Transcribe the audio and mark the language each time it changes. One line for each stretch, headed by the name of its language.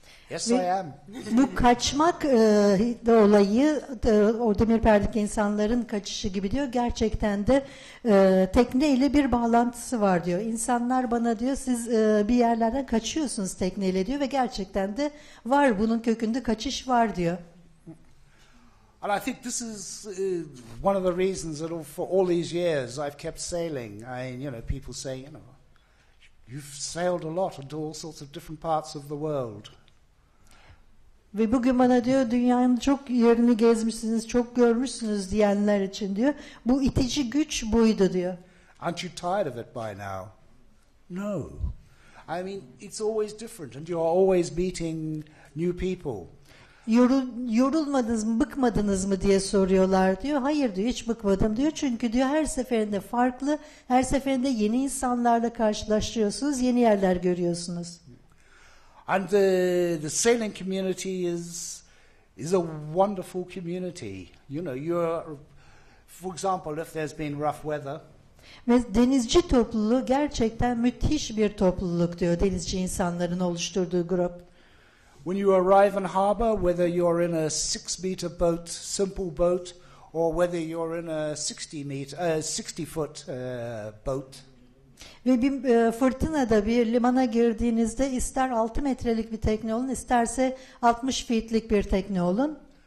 English: Yes, I am.
Turkish: Bu kaçmak da olayı, o demir perdeki insanların kaçışı gibi diyor. Gerçekten de tekneyle bir bağlantısı var diyor. İnsanlar bana diyor, siz bir yerlerden kaçıyorsunuz tekneyle diyor. Ve gerçekten de var, bunun kökünde kaçış var diyor.
English: And I think this is one of the reasons that for all these years I've kept sailing. People say, you know, you've sailed a lot into all sorts of different parts of the world.
Turkish: Ve bugün bana diyor, dünyanın çok yerini gezmişsiniz, çok görmüşsünüz diyenler için diyor, bu itici güç buydu diyor.
English: Aren't you tired of it by now? No. I mean, it's always different and you're always meeting new people.
Turkish: Yorulmadınız mı, bıkmadınız mı diye soruyorlar diyor. Hayır diyor, hiç bıkmadım diyor. Çünkü diyor, her seferinde farklı, her seferinde yeni insanlarla karşılaşıyorsunuz, yeni yerler görüyorsunuz.
English: And the sailing community is a wonderful community. You know, you're, for example, if there's been rough weather.
Turkish: Ve denizci topluluğu gerçekten müthiş bir topluluk diyor, denizci insanların oluşturduğu grup.
English: When you arrive in harbor, whether you're in a 6-meter boat, simple boat, or whether you're in a 60-foot boat.
Turkish: Ve bir fırtınada bir limana girdiğinizde, ister 6 metrelik bir tekne olun, isterse 60 feet'lik bir tekne olun.